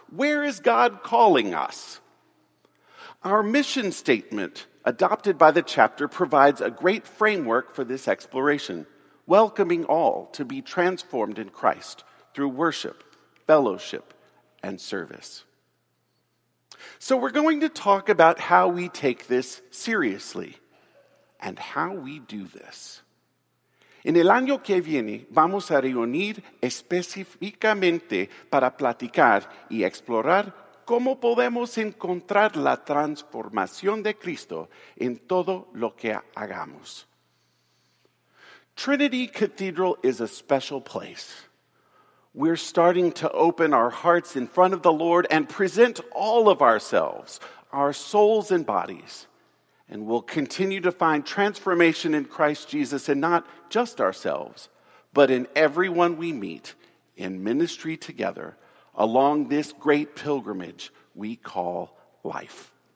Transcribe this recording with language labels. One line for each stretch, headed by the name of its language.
English: Where is God calling us? Our mission statement, adopted by the chapter, provides a great framework for this exploration, welcoming all to be transformed in Christ through worship, fellowship, and service. So we're going to talk about how we take this seriously and how we do this.
Spanish: En el año que viene, vamos a reunir específicamente para platicar y explorar cómo podemos encontrar la transformación de Cristo en todo lo que hagamos.
English: Trinity Cathedral is a special place. We're starting to open our hearts in front of the Lord and present all of ourselves, our souls and bodies. And we'll continue to find transformation in Christ Jesus and not just ourselves, but in everyone we meet in ministry together along this great pilgrimage we call life.